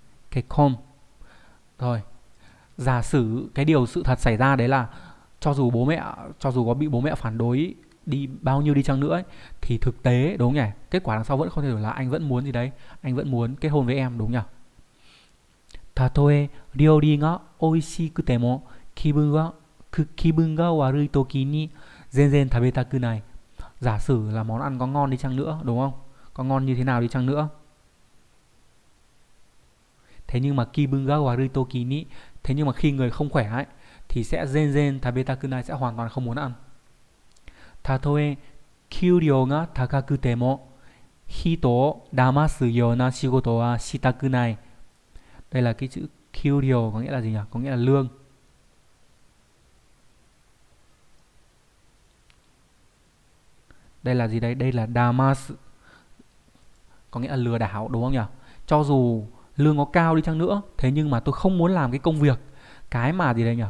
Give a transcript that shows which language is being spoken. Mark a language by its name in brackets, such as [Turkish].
[Vietnamese] Cái com. Rồi. Giả sử cái điều sự thật xảy ra đấy là cho dù có bị bố mẹ phản đối đi bao nhiêu đi chăng nữa ấy, thì thực tế đúng nhỉ? Kết quả đằng sau vẫn không thay đổi là anh vẫn muốn gì đấy, anh vẫn muốn kết hôn với em đúng nhỉ? [Japanese] Tatoe ryori ga oishikutemo気分が悪い時に全然食べたくない。 [Vietnamese] Giả sử là món ăn có ngon đi chăng nữa, đúng không? Có ngon như thế nào đi chăng nữa. Thế nhưng mà [Japanese] 気分が悪い時に, [Vietnamese] thế nhưng mà khi người không khỏe ấy, thì sẽ [Japanese] 全然食べたくない, [Vietnamese] sẽ hoàn toàn không muốn ăn. [Japanese] たとえ給料が高くても人を騙すような仕事はしたくない。 [Vietnamese] Đây là cái chữ給料có nghĩa là gì nhỉ? Có nghĩa là lương. Đây là gì đây? Đây là damas, có nghĩa là lừa đảo đúng không nhỉ? Cho dù lương có cao đi chăng nữa, thế nhưng mà tôi không muốn làm cái công việc, cái mà gì đây nhỉ?